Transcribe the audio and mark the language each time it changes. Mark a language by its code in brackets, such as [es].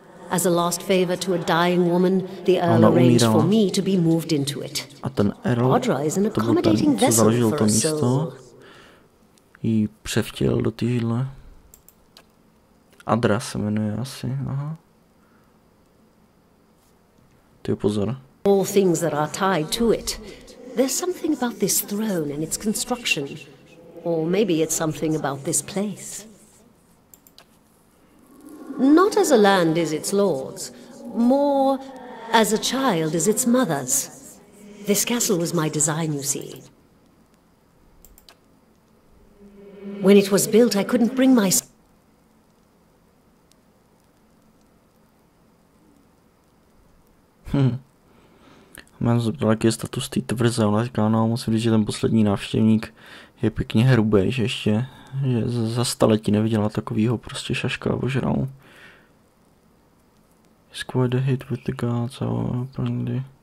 [en] As a last favor to a dying woman, the Earl arranged for me to be moved into it. [cs] A ten Earl, to byl ten, co založil to místo, jí převtěl do té židle. Adra se jmenuje asi, aha. Ty pozor. [en] All things that are tied to it. There's something about this throne and its construction. Or maybe it's something about this place. Not as a land is its lord's, more as a child is its mother's. This castle was my design, you see. When it was built, I couldn't bring my... [cs] Mám zeptala, jaký je status té tvrze. Ona říká, no, musím říct, že ten poslední návštěvník je pěkně hrubý, že ještě že za staletí neviděla takovýho prostě šaška a ožralu. [en] It's quite a hit with the guards, apparently.